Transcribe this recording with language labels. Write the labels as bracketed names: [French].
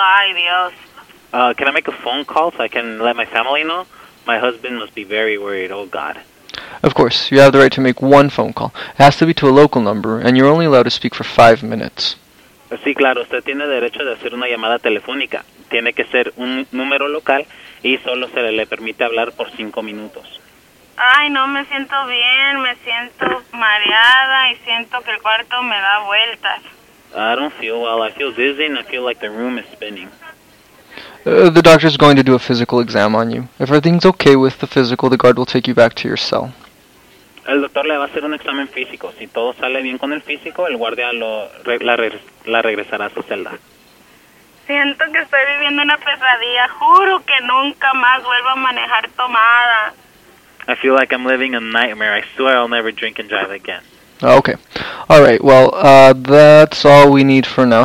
[Spanish] Ay, Dios. [English] Can I make a phone call so I can let my family know? My husband must be very worried. Oh, God. Of course. You have the right to make one phone call. It has to be to a local number, and you're only allowed to speak for 5 minutes. [Spanish] Sí, claro. Usted tiene derecho de hacer una llamada telefónica. Tiene que ser un número local y solo se le permite hablar por 5 minutos. Ay, no, me siento bien. Me siento mareada y siento que el cuarto me da vueltas. [English] I don't feel well. I feel dizzy and I feel like the room is spinning. The doctor is going to do a physical exam on you. If everything's okay with the physical, the guard will take you back to your cell. [Spanish] El doctor le va a hacer un examen físico. Si todo sale bien con el físico, el guardia la regresará a su celda. Siento que estoy viviendo una pesadilla. Juro que nunca más vuelvo a manejar tomada. [English] I feel like I'm living a nightmare. I swear I'll never drink and drive again. Okay. All right. Well, that's all we need for now.